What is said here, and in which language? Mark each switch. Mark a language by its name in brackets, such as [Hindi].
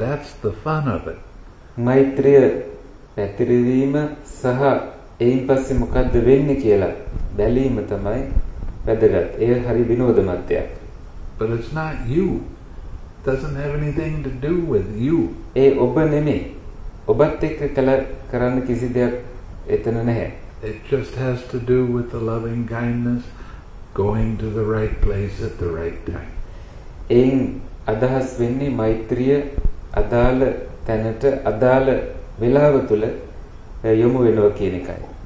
[English] That's the fun of it. [Sinhala] මෛත්‍රිය පැතිරවීම සහ එයින් පස්සේ මොකද්ද වෙන්නේ කියලා බැලීම තමයි වැදගත්. ඒ හරි විනෝදමත්යක්. [English] But it's not you. Doesn't have anything to do with you. [Sinhala] ඒ ඔබ නෙමෙයි. ඔබත් එක්ක කරන්න කිසි දෙයක් එතන නැහැ. [English] It just has to do with the loving kindness going to the right place at the right time. [Sinhala] එයින් අදහස් වෙන්නේ මෛත්‍රිය අදාළ තැනට අදාළ වෙලාව තුල යොමු වෙනවා කියන එකයි.